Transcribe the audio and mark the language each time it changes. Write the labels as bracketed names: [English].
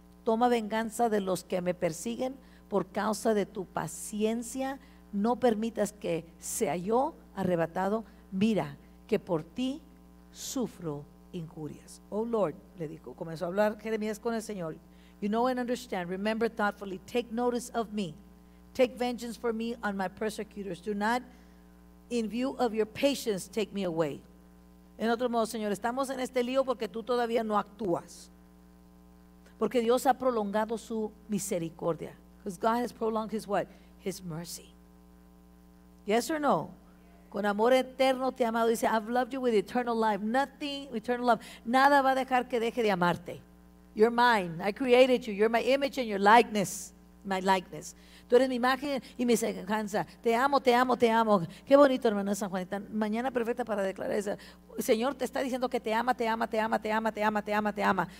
[Spanish] Toma venganza de los que me persiguen por causa de tu paciencia. No permitas que sea yo arrebatado. Mira que por ti sufro injurias. [English] Oh Lord, [Spanish] le dijo, comenzó a hablar Jeremías con el Señor. [English] You know and understand, remember thoughtfully, take notice of me, take vengeance for me on my persecutors, do not in view of your patience take me away. [Spanish] En otro modo, Señor, estamos en este lío porque tú todavía no actúas, porque Dios ha prolongado su misericordia. [English] Because God has prolonged his what? His mercy. Yes or no? [Spanish] Con amor eterno te he amado, dice, [English] I've loved you with eternal life. Nothing, eternal love. [Spanish] Nada va a dejar que deje de amarte. [English] You're mine. I created you. You're my image and your likeness. My likeness. [Spanish] Tú eres mi imagen y mi semejanza. Te amo, te amo, te amo. Qué bonito, hermana San Juanita. Mañana perfecta para declarar eso. El Señor te está diciendo que te ama, te ama, te ama, te ama, te ama, te ama, te ama.